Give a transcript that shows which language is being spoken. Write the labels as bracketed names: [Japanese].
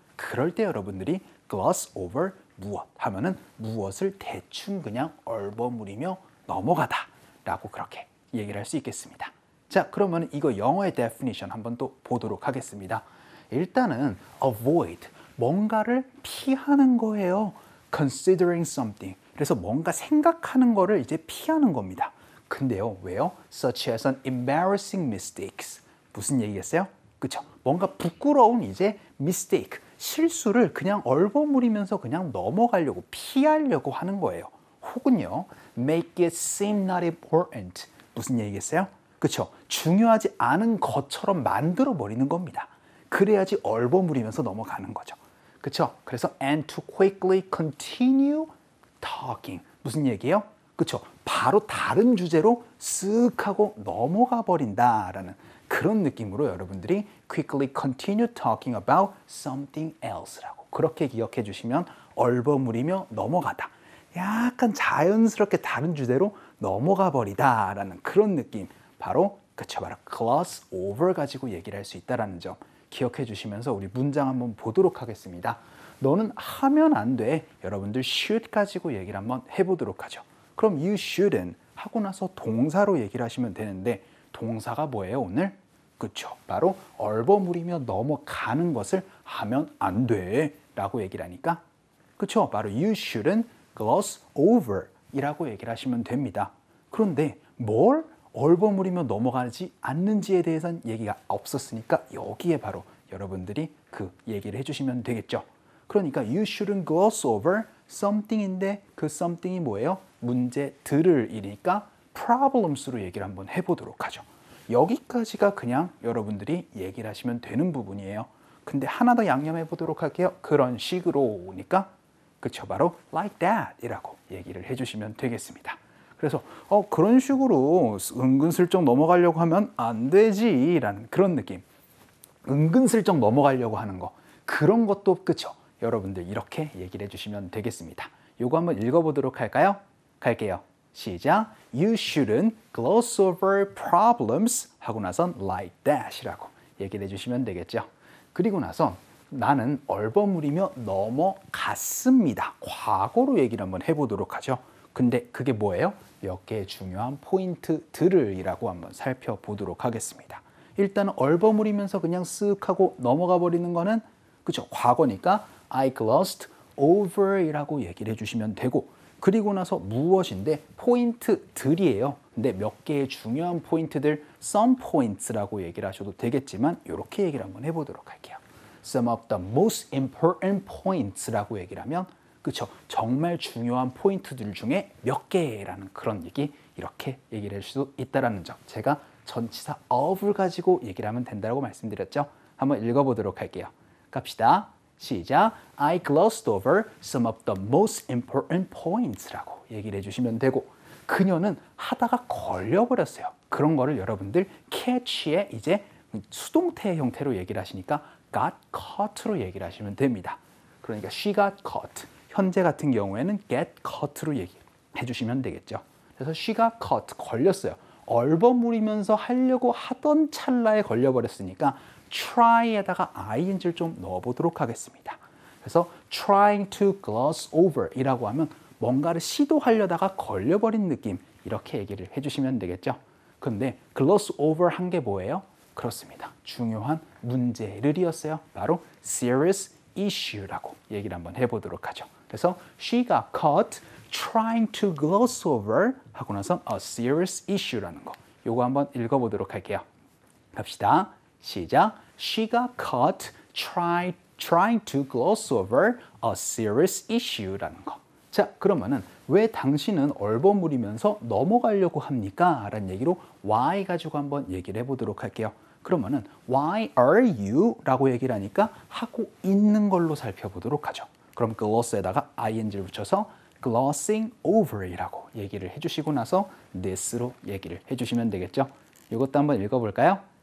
[Korean] 그럴 때 여러분들이 gloss over 무엇 하면은 무엇을 대충 그냥 얼버무리며 넘어가다 라고 그렇게 얘기를 할 수 있겠습니다. 자, 그러면 이거 영어의 definition 한번 또 보도록 하겠습니다. 일단은 avoid, 뭔가를 피하는 거예요. considering something, 그래서 뭔가 생각하는 거를 이제 피하는 겁니다. 근데요, 왜요? [English] such as an embarrassing mistakes. [Korean] 무슨 얘기겠어요? 그쵸? 뭔가 부끄러운 이제 mistake, 실수를 그냥 얼버무리면서 그냥 넘어가려고, 피하려고 하는 거예요. 혹은요, [English] make it seem not important. [Korean] 무슨 얘기겠어요? 그쵸? 중요하지 않은 것처럼 만들어버리는 겁니다. 그래야지 얼버무리면서 넘어가는 거죠. 그쵸? 그래서 [English] and to quickly continue talking. [Korean] 무슨 얘기예요? 그쵸? 바로 다른 주제로 쓱 하고 넘어가 버린다라는 그런 느낌으로 여러분들이 [English] quickly continue talking about something else [Korean] 라고 그렇게 기억해 주시면, 얼버무리며 넘어가다, 약간 자연스럽게 다른 주제로 넘어가 버리다라는 그런 느낌, 바로 그쵸? 바로 gloss over 가지고 얘기를 할 수 있다라는 점 기억해 주시면서 우리 문장 한번 보도록 하겠습니다. 너는 하면 안 돼. 여러분들 should 가지고 얘기를 한번 해보도록 하죠. 그럼 you shouldn't 하고 나서 동사로 얘기를 하시면 되는데, 동사가 뭐예요 오늘? 그쵸? 바로 얼버무리며 넘어가는 것을 하면 안 돼 라고 얘기를 하니까, 그쵸? 바로 [English] you shouldn't gloss over [Korean] 이라고 얘기를 하시면 됩니다. 그런데 뭘 얼버무리며 넘어가지 않는지에 대해서는 얘기가 없었으니까 여기에 바로 여러분들이 그 얘기를 해주시면 되겠죠. 그러니까 [English] you shouldn't gloss over something [Korean] 인데 그 something이 뭐예요? 문제들을 이니까 problems로 얘기를 한번 해보도록 하죠. 여기까지가 그냥 여러분들이 얘기를 하시면 되는 부분이에요. 근데 하나 더 양념해보도록 할게요. 그런 식으로 오니까 그쵸? 바로 [English] like that [Korean] 이라고 얘기를 해주시면 되겠습니다. 그래서 그런 식으로 은근슬쩍 넘어가려고 하면 안 되지 라는 그런 느낌, 은근슬쩍 넘어가려고 하는 거, 그런 것도 그쵸? 여러분들 이렇게 얘기를 해주시면 되겠습니다. 요거 한번 읽어보도록 할까요? 갈게요. 시작! [English] You shouldn't gloss over problems [Korean] 하고 나선 [English] like that [Korean] 이라고 얘기를 해주시면 되겠죠. 그리고 나서 나는 얼버무리며 넘어갔습니다. 과거로 얘기를 한번 해보도록 하죠. 근데 그게 뭐예요? 몇 개의 중요한 포인트들을 이라고 한번 살펴보도록 하겠습니다. 일단 얼버무리면서 그냥 쓱 하고 넘어가 버리는 거는 그쵸? 과거니까 [English] I glossed over [Korean] 이라고 얘기를 해주시면 되고, 그리고 나서 무엇인데 포인트들이에요. 근데 몇 개의 중요한 포인트들, some points라고 얘기를 하셔도 되겠지만 이렇게 얘기를 한번 해보도록 할게요. [English] Some of the most important points [Korean] 라고 얘기를 하면 그쵸? 정말 중요한 포인트들 중에 몇 개라는 그런 얘기, 이렇게 얘기를 할 수 있다라는 점, 제가 전치사 of을 가지고 얘기를 하면 된다고 말씀드렸죠? 한번 읽어보도록 할게요. 갑시다. 시작! [English] I glossed over some of the most important points [Korean] 라고 얘기를 해주시면 되고, 그녀는 하다가 걸려버렸어요. 그런 거를 여러분들 catch에 이제 수동태 형태로 얘기를 하시니까 got caught로 얘기를 하시면 됩니다. 그러니까 [English] she got caught, [Korean] 현재 같은 경우에는 get caught로 얘기해 주시면 되겠죠. 그래서 [English] she got caught, [Korean] 걸렸어요. 얼버무리면서 하려고 하던 찰나에 걸려버렸으니까 try에다가 ing를 좀 넣어보도록 하겠습니다. 그래서 [English] trying to gloss over [Korean] 이라고 하면 뭔가를 시도하려다가 걸려버린 느낌, 이렇게 얘기를 해주시면 되겠죠. 근데 gloss over 한 게 뭐예요? 그렇습니다. 중요한 문제를 이었어요. 바로 [English] serious issue [Korean] 라고 얘기를 한번 해보도록 하죠. [English] 그래서 she가 caught trying to gloss over [Korean] 하고 나서 [English] a serious issue라는 거. [Korean] 요거 한번 읽어보도록 할게요. 갑시다. 시작. [English] She가 caught trying to gloss over a serious issue [Korean] 라는 거. 자, 그러면은 왜 당신은 얼버무리면서 넘어가려고 합니까? 라는 얘기로 why 가지고 한번 얘기를 해보도록 할게요. 그러면은 [English] why are you? [Korean] 라고 얘기를 하니까 하고 있는 걸로 살펴보도록 하죠. 그럼 gloss에다가 ing를 붙여서 [English] glossing over [Korean] 이라고 얘기를 해주시고 나서 this로 얘기를 해주시면 되겠죠. 이것도 한번 읽어볼까요?